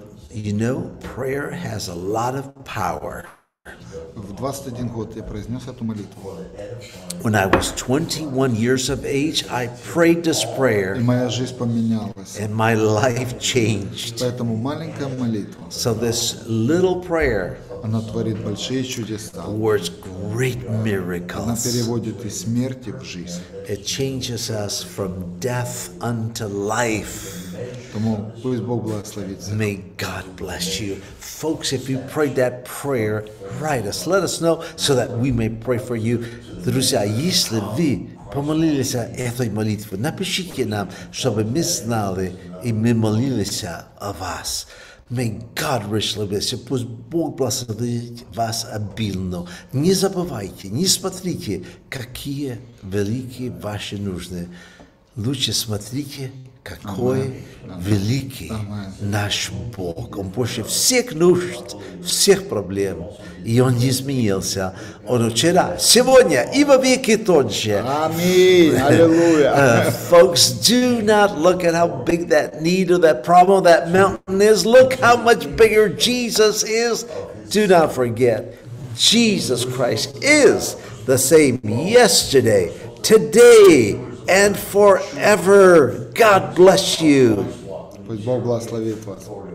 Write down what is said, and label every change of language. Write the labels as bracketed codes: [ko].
[en] You know, prayer has a lot of power. [ru] В 21 год я произнес эту молитву. [en] When I was 21 years of age, I prayed this prayer. [ru] И моя жизнь поменялась. [en] And my life changed. [ru] Поэтому маленькая молитва. [en] So this little prayer. [ru] Она творит большие чудеса. [en] Works great miracles. [ru] Она переводит из смерти в жизнь. [en] It changes us from death unto life. [ru] Тому пусть Бог благословит. [en] May God bless you. Folks, if you prayed that prayer, write us. Let us know so that we may pray for you. [ru] Друзья, если вы помолились этой молитвой, напишите нам, чтобы мы знали и мы молились о вас. [en] May God richly bless you. [ru] Пусть Бог благословит вас обильно. Не забывайте, не смотрите, какие великие ваши нужды. Лучше смотрите, какой великий наш Бог. Он больше всех нужд, всех проблем. И Он не изменился. Он вчера, сегодня и во веки тот же. Аминь. Аллилуйя. [en] Folks, do not look at how big that need or that problem, that mountain is. Look how much bigger Jesus is. Do not forget, Jesus Christ is the same yesterday, today, and forever. God bless you. [ru] Пусть Бог благословит вас.